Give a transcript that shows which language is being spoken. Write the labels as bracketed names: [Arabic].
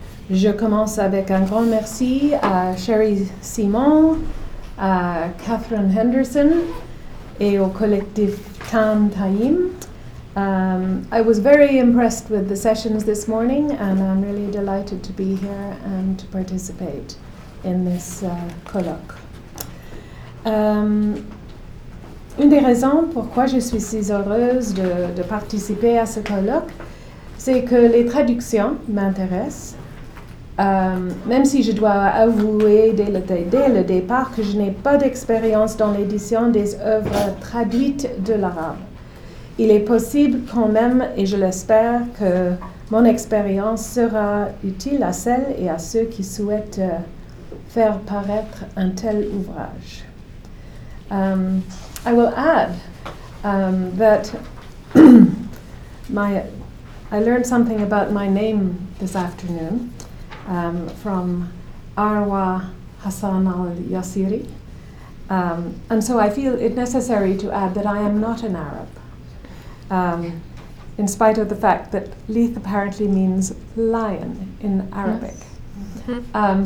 [French] Je commence avec un grand merci à Sherry Simon, à Catherine Henderson et au collectif Tam Taïm. [English] I was very impressed with the sessions this morning and I'm really delighted to be here and to participate in this colloque. [French] Une des raisons pourquoi je suis si heureuse de participer à ce colloque, c'est que les traductions m'intéressent, même si je dois avouer dès le départ que je n'ai pas d'expérience dans l'édition des œuvres traduites de l'arabe. Il est possible quand même, et je l'espère, que mon expérience sera utile à celles et à ceux qui souhaitent faire paraître un tel ouvrage. [English] I will add that I learned something about my name this afternoon from Arwa Hassan al-Yassiri. And so I feel it necessary to add that I am not an Arab, in spite of the fact that Leith apparently means lion in Arabic.